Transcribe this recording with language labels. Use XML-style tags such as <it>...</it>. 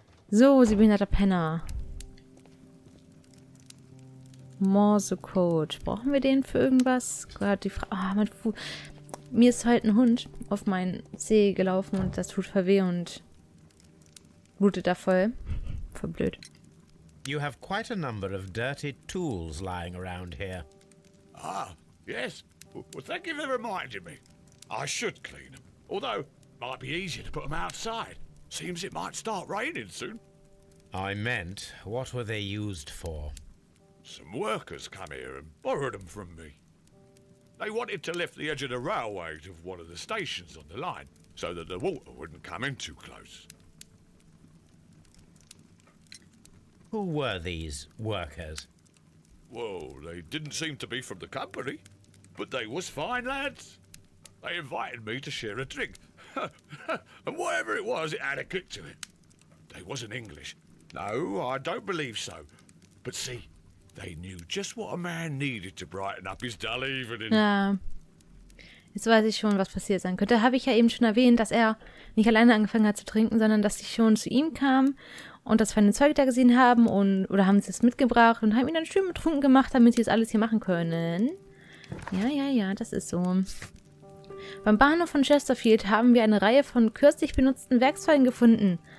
<de>So, Sie behinderter Penner. Morsecode. Brauchen wir den für irgendwas? Gott, die Frau. Ah, oh, mein Fuß. Mir ist halt ein Hund auf meinen Zeh gelaufen und das tut verweh und blutet da voll. Voll blöd.</de> <en>You have quite a number of dirty tools lying around here. Ah, yes. Well, thank you for reminding me. I should clean them. Although, might be easier to put them outside. Seems it might start raining soon. I meant, what were they used for? Some workers come here and borrowed them from me. They wanted to lift the edge of the railway to one of the stations on the line so that the water wouldn't come in too close. Who were these workers? Well, they didn't seem to be from the company, but they was fine lads. They invited me to share a drink. And whatever it was, it had a kick to it. They wasn't English. No, I don't believe so. But see, they knew just what a man needed to brighten up his dull evening.</en> <de>Ja, jetzt weiß ich schon, was passiert sein könnte. Da habe ich ja eben schon erwähnt, dass er nicht alleine angefangen hat zu trinken, sondern dass ich schon zu ihm kam und das feine Zeug da gesehen haben und oder haben sie es mitgebracht und haben ihn dann schön betrunken gemacht, damit sie das alles hier machen können. Ja, das ist so. Beim Bahnhof von Chesterfield haben wir eine Reihe von kürzlich benutzten Werkzeugen gefunden.</de>